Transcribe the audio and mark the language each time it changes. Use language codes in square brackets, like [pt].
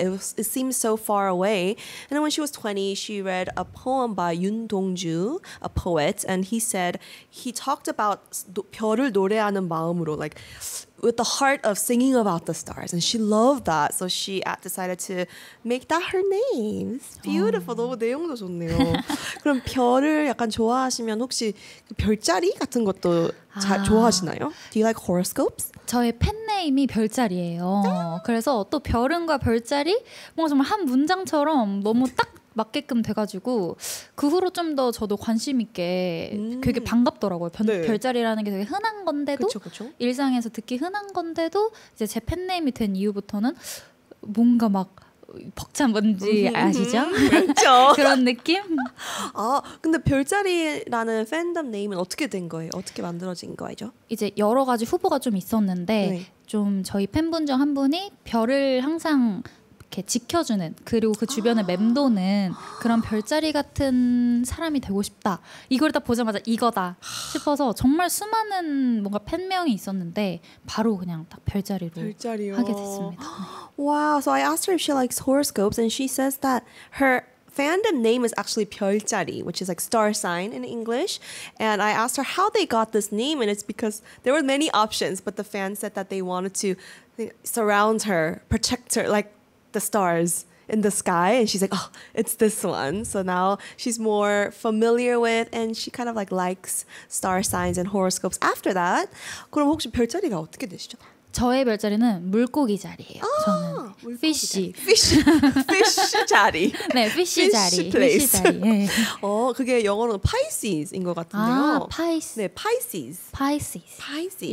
[en] It seems so far away. And then when she was 20, she read a poem by 윤동주, a poet, and he said, he talked about [ko] 별을 노래하는 마음으로, [en] like with the heart of singing about the stars. And she loved that. So she decided to make that her name. It's beautiful. [ko] 너무 내용도 좋네요. 그럼 별을 약간 좋아하시면 혹시 별자리 같은 것도 잘 좋아하시나요? [en] Do you like horoscopes? [ko] 저의 팬네임이 별자리예요. 그래서 또 별은과 별자리 뭔가 정말 한 문장처럼 너무 딱 맞게끔 돼가지고 그 후로 좀 더 저도 관심 있게 되게 반갑더라고요. 네. 별자리라는 게 되게 흔한 건데도 그쵸, 그쵸. 일상에서 듣기 흔한 건데도 이제 제 팬네임이 된 이후부터는 뭔가 막 벅찬 뭔지 아시죠? 그렇죠. 그런 느낌? 아, 근데 별자리라는 팬덤 네임은 어떻게 된 거예요? 어떻게 만들어진 거죠? 이제 여러 가지 후보가 좀 있었는데 네. 좀 저희 팬분 중 한 분이 별을 항상 이렇게 지켜주는 그리고 그 주변에 아. 맴도는 그런 별자리 같은 사람이 되고 싶다. 이걸 딱 보자마자 이거다 싶어서 정말 수많은 뭔가 팬명이 있었는데 바로 그냥 딱 별자리로 별자리요. 하게 됐습니다. [en] Wow, so I asked her if she likes horoscopes and she says that her fandom name is actually 별자리, which is like star sign in English. And I asked her how they got this name and it's because there were many options, but the fans said that they wanted to surround her, protect her, like the stars in the sky. And she's like, oh, it's this one. So now she's more familiar with and she kind of like likes star signs and horoscopes after that. [ko] 그럼 혹시 별자리가 어떻게 되시죠? 저의 별자리는 물고기 자리예요. 아, 저는 피쉬. 피쉬. 피쉬 자리. 네, 피쉬 자리. 피쉬 플레이스. 네. 그게 영어로 파이시스인 것 같은데요. 아, 파이시스. 네, 파이시스. 파이시스. 파이시스.